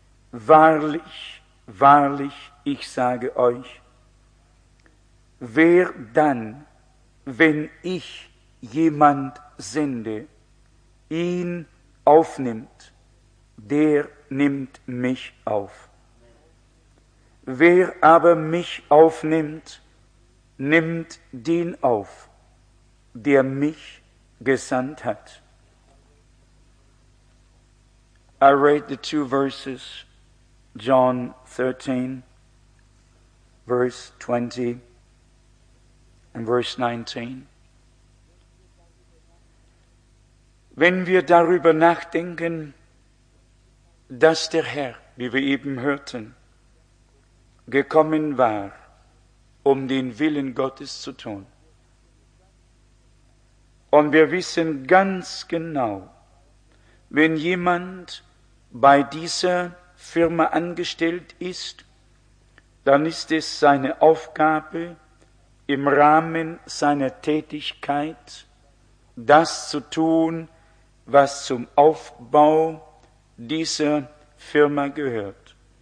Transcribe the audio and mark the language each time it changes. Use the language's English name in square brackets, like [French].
[German] Wahrlich, wahrlich, ich sage euch, wer dann, wenn ich jemand sende, ihn aufnimmt, der nimmt mich auf. Wer aber mich aufnimmt, nimmt den auf, der mich gesandt hat. [English] I read the two verses, John 13, verse 20 and verse 19. [German] Wenn wir darüber nachdenken, dass der Herr, wie wir eben hörten, gekommen war, um den Willen Gottes zu tun, und wir wissen ganz genau, wenn jemand bei dieser Firma angestellt ist, dann ist es seine Aufgabe, im Rahmen seiner Tätigkeit das zu tun, was zum Aufbau dieser Firma gehört.